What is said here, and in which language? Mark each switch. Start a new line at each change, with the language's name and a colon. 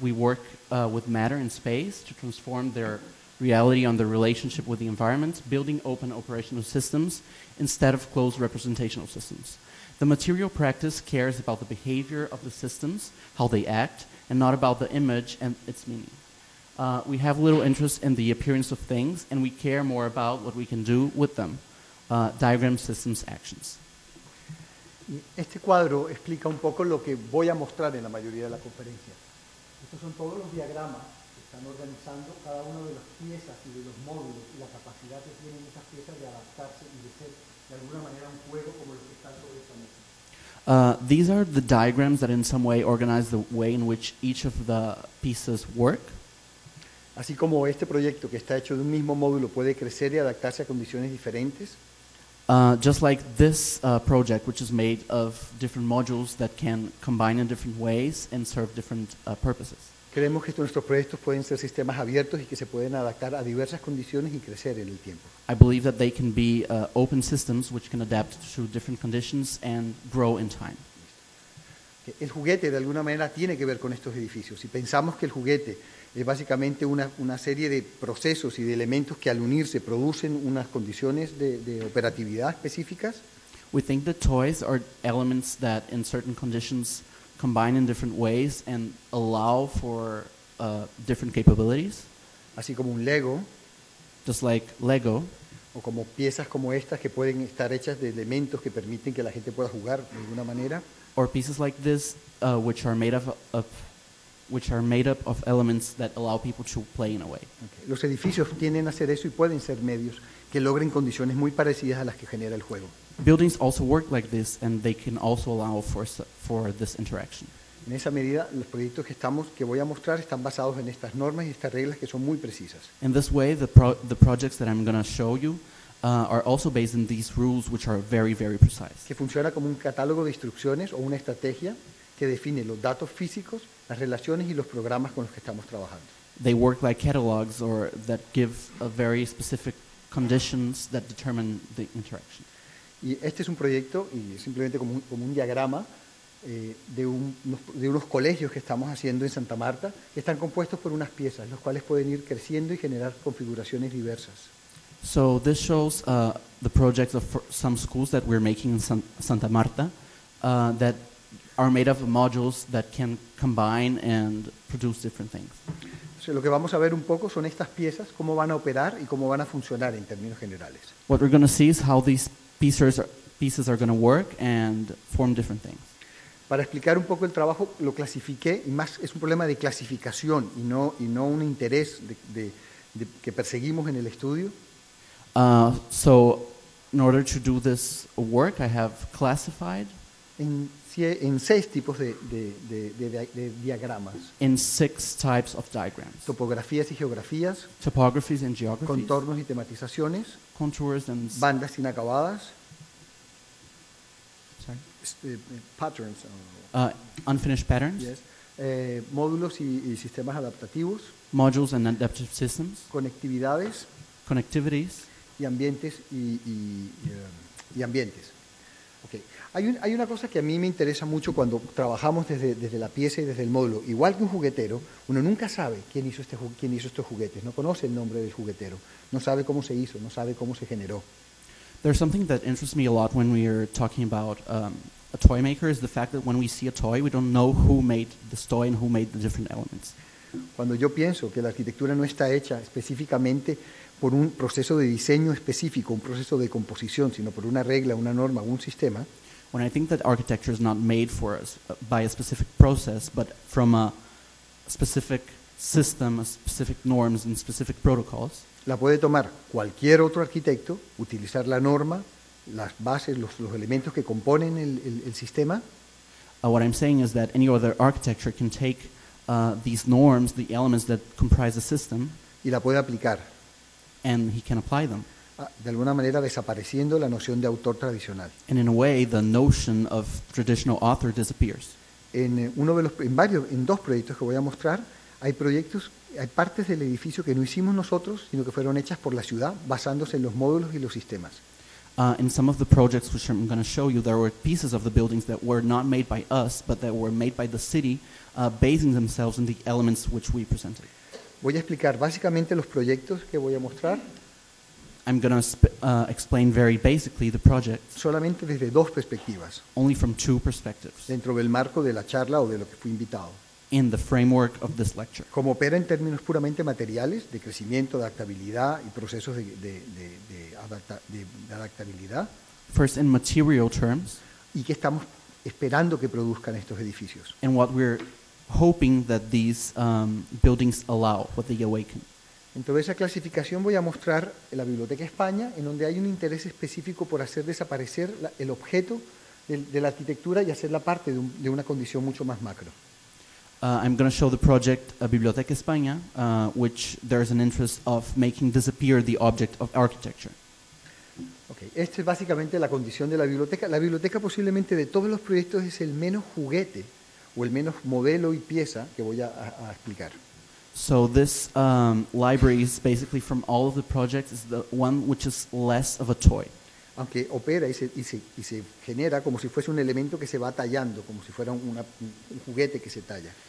English: We work with matter and space to transform their reality on the relationship with the environment, building open operational systems instead of closed representational systems. The material practice cares about the behavior of the systems, how they act, and not about the image and its meaning. We have little interest in the appearance of things, and we care more about what we can do with them. Diagram systems actions.
Spanish: Este cuadro explica un poco lo que voy a mostrar en la mayoría de la conferencia. Estos son todos los diagramas que están organizando cada una de las piezas y de los módulos y la capacidad que tienen esas piezas de adaptarse y de ser de alguna manera un juego como los que están sobre esta mesa.
English: These are the diagrams that in some way organize the way in which each of the pieces work.
Spanish: Así como este proyecto que está hecho de un mismo módulo puede crecer y adaptarse a condiciones diferentes.
English: Just like this project, which is made of different modules that can combine in different ways and serve different purposes.
Spanish: Creemos que nuestros proyectos pueden ser sistemas abiertos y que se pueden adaptar a diversas condiciones y crecer en el tiempo.
English: I believe that they can be open systems which can adapt to different conditions and grow in time.
Spanish: El juguete de alguna manera tiene que ver con estos edificios. Si pensamos que el juguete es básicamente una serie de procesos y de elementos que al unirse producen unas condiciones de operatividad específicas.
English: We think the toys are elements that in certain conditions combine in different ways and allow for different capabilities.
Spanish: Así como un Lego.
English: Just like Lego.
Spanish: O como piezas como estas que pueden estar hechas de elementos que permiten que la gente pueda jugar de alguna manera.
English: Or pieces like this, which are made up of elements that allow people to play in a way. Okay.
Spanish: Los edificios tienden a hacer eso y pueden ser medios que logren condiciones muy parecidas a las que genera el juego.
English: Buildings also work like this, and they can also allow for this interaction.
Spanish: En esa medida, los proyectos que voy a mostrar están basados en estas normas y estas reglas que son muy precisas.
English: In this way, the projects that I'm going to show you are also based in these rules, which are very, very precise.
Spanish: Que funciona como un catálogo de instrucciones o una estrategia que define los datos físicos, las relaciones y los programas con los que estamos trabajando.
English: They work like catalogs or that give a very specific conditions that determine the interaction.
Spanish: Y este es un proyecto, y simplemente como un diagrama, de unos colegios que estamos haciendo en Santa Marta, que están compuestos por unas piezas, los cuales pueden ir creciendo y generar configuraciones diversas.
English: So this shows the projects of some schools that we're making in Santa Marta that are made up of modules that can combine and produce different things. So,
Spanish: lo que vamos a ver un poco son estas piezas, cómo van a operar y cómo van a funcionar en términos generales.
English: What we're going to see is how these pieces are going to work and form different things.
Spanish: Para explicar un poco el trabajo, lo clasifiqué, y más es un problema de clasificación y no un interés de que perseguimos en el estudio.
English: So, in order to do this work, I have classified
Spanish: en seis tipos de diagramas.
English: In six types of diagrams.
Spanish: Topografías y geografías.
English: Topographies and geographies.
Spanish: Contornos y tematizaciones.
English: Contours and
Spanish: bandas inacabadas.
English: Sorry. Patterns. Unfinished patterns. Yes.
Spanish: Módulos y sistemas adaptativos.
English: Modules and adaptive systems.
Spanish: Conectividades.
English: Connectivities.
Spanish: Y ambientes y ambientes. Okay. Hay una cosa que a mí me interesa mucho cuando trabajamos desde la pieza y desde el módulo. Igual que un juguetero, uno nunca sabe quién hizo estos juguetes. No conoce el nombre del juguetero. No sabe cómo se hizo. No sabe cómo se generó.
English: There's something that interests me a lot when we are talking about a toy maker is the fact that when we see a toy, we don't know who made this toy and who made the different elements.
Spanish: Cuando yo pienso que la arquitectura no está hecha específicamente por un proceso de diseño específico, un proceso de composición, sino por una regla, una norma, un sistema.
English: When I think that architecture is not made for us by a specific process, but from a specific system, a specific norms and specific protocols.
Spanish: La puede tomar cualquier otro arquitecto, utilizar la norma, las bases, los elementos que componen el sistema.
English: What I'm saying is that any other architecture can take these norms, the elements that comprise the system,
Spanish: y la puede aplicar.
English: And he can apply them.
Spanish: De alguna manera desapareciendo la noción de autor tradicional.
English: And in a way, the notion of traditional author disappears.
Spanish: En dos proyectos que voy a mostrar, hay partes del edificio que no hicimos nosotros, sino que fueron hechas por la ciudad, basándose en los módulos y los sistemas.
English: In some of the projects which I'm going to show you, there were pieces of the buildings that were not made by us, but that were made by the city, basing themselves in the elements which we presented.
Spanish: Voy a explicar básicamente los proyectos que voy a mostrar.
English: I'm going to explain very basically the project.
Spanish: Solamente desde dos perspectivas.
English: Only from two perspectives.
Spanish: Dentro del marco de la charla o de lo que fui invitado.
English: In the framework of this lecture.
Spanish: Como opera en términos puramente materiales, de crecimiento, adaptabilidad y procesos de adaptabilidad.
English: First, in material terms.
Spanish: Y qué estamos esperando que produzcan estos edificios.
English: And what we're hoping that these buildings allow, what they awaken.
Spanish: Dentro de esa clasificación voy a mostrar la Biblioteca España, en donde hay un interés específico por hacer desaparecer el objeto de la arquitectura y hacerla parte de una condición mucho más macro.
English: I'm going to show the project Biblioteca España, which there is an interest of making disappear the object of architecture. Okay.
Spanish: Esta es básicamente la condición de la biblioteca. La biblioteca posiblemente de todos los proyectos es el menos juguete o el menos modelo y pieza que voy a explicar. So this library is basically from all of the projects is the one which is less of a toy. Aunque opera y se genera como si fuese un elemento que se va tallando, como si fuera un juguete que se talla.